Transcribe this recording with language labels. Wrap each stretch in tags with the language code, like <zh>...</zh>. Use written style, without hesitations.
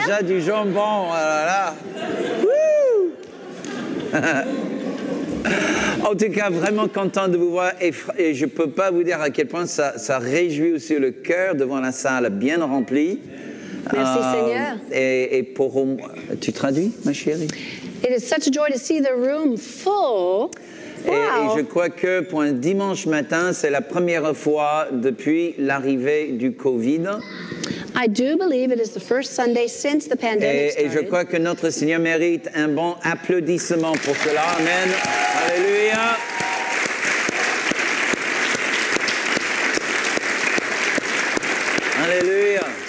<fr>Je parle déjà du jambon. Voilà. Là. En tout cas, vraiment content de vous voir. Et je ne peux pas vous dire à quel point ça réjouit aussi le cœur devant la salle bien remplie. Merci, Seigneur. Et pour au moins. Tu traduis, ma chérie?</fr> <en>It is such a joy to see the room full.</en> <fr>Et, wow. Et je crois que pour un dimanche matin, c'est la première fois depuis l'arrivée du COVID.</fr> <en>I do believe it is the first Sunday since the pandemic started.</en> <fr>Et je crois que notre Seigneur mérite un bon applaudissement pour cela. Amen. Alléluia. Alléluia.</fr>